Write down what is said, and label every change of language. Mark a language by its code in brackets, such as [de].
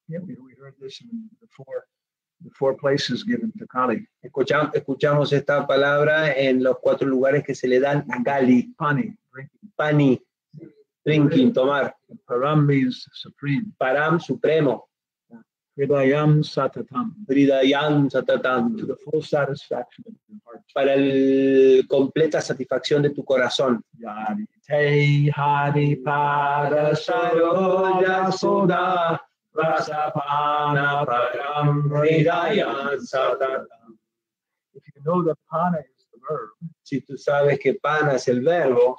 [en] Yeah, we heard this in the four places given to Kali. [es] Escuchamos esta palabra en los cuatro lugares que se le dan a Kali. [en] Pani, drinking. Pani. Drinking, [es] tomar. [en] Param means supreme. [es] Param, supremo. [sa] Hridayam satatam. Hridayam satatam. [en] To the full satisfaction of your heart. [es] Para la completa satisfacción de tu corazón. [sa] Yadi te hari para saroja suda rasapana param hridayam satatam. [en] If you know that pana is the verb. [es] Si tú sabes que pana es el verbo.